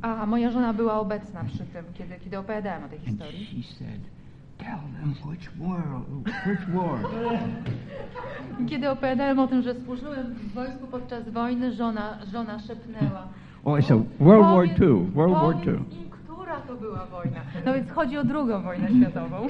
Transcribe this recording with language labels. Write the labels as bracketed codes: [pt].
[pl] A moja żona była obecna przy tym, kiedy opowiadałem o tej historii. [en] And she said, tell them which war. [pl] Kiedy opowiadałem o tym, że służyłem w wojsku podczas wojny, żona szepnęła. [en] Oh, it's a World War II. World War II. [pl] Która to była wojna? No więc chodzi o drugą wojnę światową.